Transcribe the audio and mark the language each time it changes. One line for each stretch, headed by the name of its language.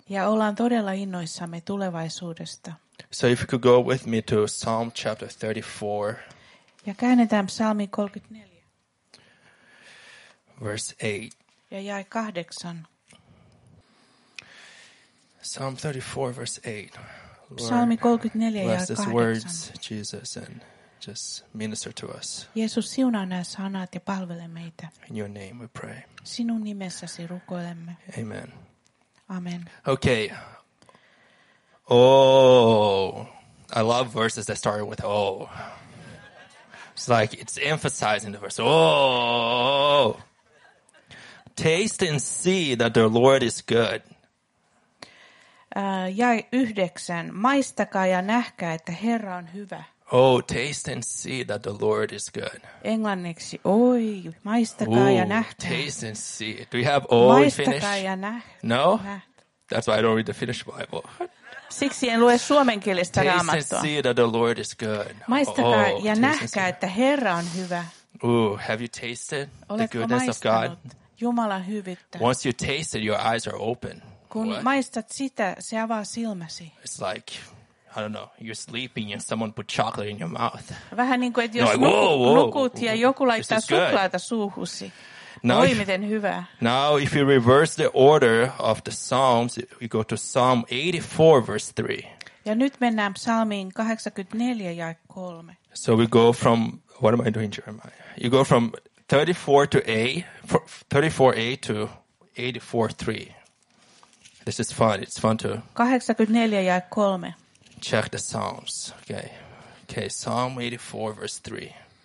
Finnish: Ja ollaan todella innoissamme tulevaisuudesta.
English: So if you could go with me to Psalm chapter 34.
Finnish: Ja käännetään psalmi 34.
English: Verse 8.
Finnish: Ja jae 8.
English: Psalm 34 verse 8.
Finnish: Lord, psalmi 34 jae 8.
English: Bless words, Jesus, and just minister to us.
Finnish: Jeesus, siunaa nämä sanat ja palvele meitä.
English: In your name we pray.
Finnish: Sinun nimessäsi rukoilemme.
English: Amen.
Finnish: Amen.
English: Okay. Oh, I love verses that start with oh. It's like it's emphasizing the verse. Oh, taste and see that the Lord is good.
Finnish: Jae 9. Maistakaa ja nähkää, että Herra on hyvä.
English: Oh, taste and see that the Lord is good.
Finnish: Englanniksi, oi, maistakaa ja nähkää.
English: Taste and see. Do we have oh in Finnish?
Finnish: Maistakaa ja
English: no? That's why I don't read the Finnish Bible.
Finnish: Siksi en lue suomenkielistä
English: taste
Finnish: raamattua.
English: Taste and see that the Lord is good.
Finnish: Maistakaa ja nähkää, että Herra on hyvä.
English: Ooh, have you tasted the goodness of God?
Finnish: Jumalan hyvyyttä.
English: Once you taste it, your eyes are open.
Finnish: Kun
English: what?
Finnish: Maistat sitä, se avaa silmäsi.
English: It's like, I don't know, you're sleeping and someone put chocolate in your mouth.
Finnish: Vähän niin kuin, että jos nukut ja joku laittaa suklaata suuhusi.
English: Now,
Finnish: oi, miten hyvää.
English: Now, if you reverse the order of the Psalms, you go to Psalm 84, verse 3.
Finnish: Ja nyt mennään psalmiin 84, jae 3.
English: So we go from, what am I doing, Jeremiah? You go from 34A to 84:3. This is fun, it's fun to
Finnish: 84, jae 3.
English: Check the Psalms. Okay. Okay, Psalm 84, verse 3.